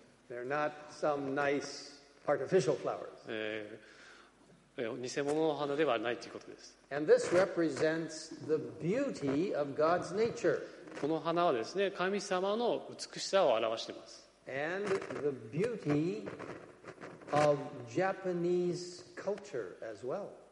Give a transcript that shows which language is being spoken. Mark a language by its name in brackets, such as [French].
[English] They're not some nice artificial flowers. [Japanese] 偽物の花ではないということです。 [English] And this represents the beauty of God's nature. [Japanese] この花はですね、神様の美しさを表しています。 [English] And the beautyOf Japanese culture as well.